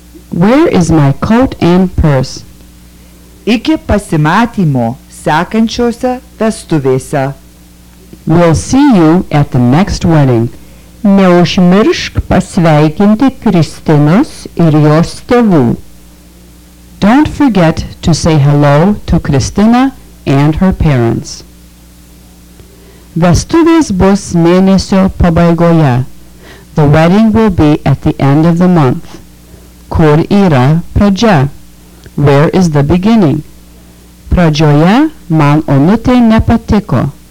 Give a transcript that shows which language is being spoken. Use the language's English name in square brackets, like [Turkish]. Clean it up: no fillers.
[English] Where is my coat and purse? [Lithuanian] Iki pasimatymo sekančiose vestuvėse. [English] We'll see you at the next wedding. [Lithuanian] Neužmiršk pasveikinti Kristinos ir jos tėvų. [English] Don't forget to say hello to Kristina and her parents. [Lithuanian] Vestuvės bus mėnesio pabaigoje. [English] The wedding will be at the end of the month. [Lithuanian] Kur yra pradžia? [English] Where is the beginning? [Lithuanian] Pradžioje man Onutė nepatiko.